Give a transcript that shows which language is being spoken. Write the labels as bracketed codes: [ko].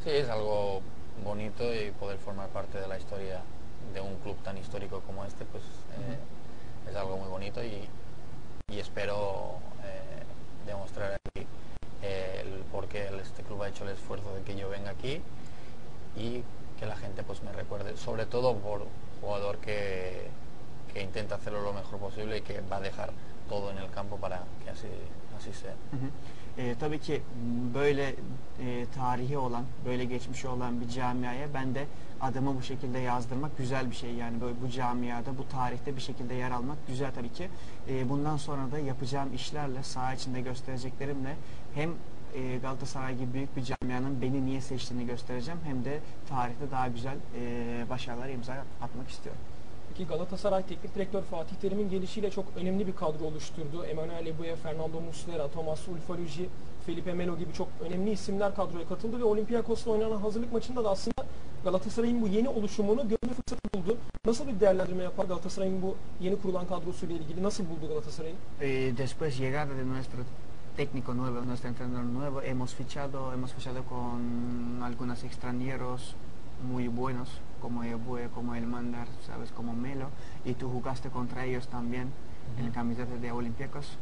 [es] Sí, es algo bonito y poder formar parte de la historia de un club tan histórico como este, pues es algo muy bonito y espero demostrar aquí el por qué este club ha hecho el esfuerzo de que yo venga aquí y que la gente pues me recuerde, sobre todo por jugador que intenta hacerlo lo mejor posible y que va a dejar todo en el campo para que así sea. [tr] Tabii ki böyle tarihi olan, böyle geçmişi olan bir camiaya ben de adımı bu şekilde yazdırmak güzel bir şey. Yani böyle bu camiada, bu tarihte bir şekilde yer almak güzel tabii ki. Bundan sonra da yapacağım işlerle, saha içinde göstereceklerimle hem Galatasaray gibi büyük bir camianın beni niye seçtiğini göstereceğim, hem de tarihte daha güzel başarılar imza atmak istiyorum. Ki Galatasaray Teknik Direktör Fatih Terim'in gelişiyle çok önemli bir kadro oluşturdu. Emanuel Eboué, Fernando Muslera, Thomas Ulfaluji, Felipe Melo gibi çok önemli isimler kadroya katıldı. Ve Olympiakos'la oynanan hazırlık maçında da aslında Galatasaray'ın bu yeni oluşumunu görme fırsatı buldu. Nasıl bir değerlendirme yapar Galatasaray'ın bu yeni kurulan kadrosuyla ilgili? Nasıl buldu Galatasaray'ın? [es] Después llegada de nuestro técnico nuevo, nuestro entrenador nuevo, hemos fichado con algunos extranjeros muy buenos, como Eboué, como el Mandar, sabes, como Melo, y tú jugaste contra ellos también en el camiseta de Olympiacos.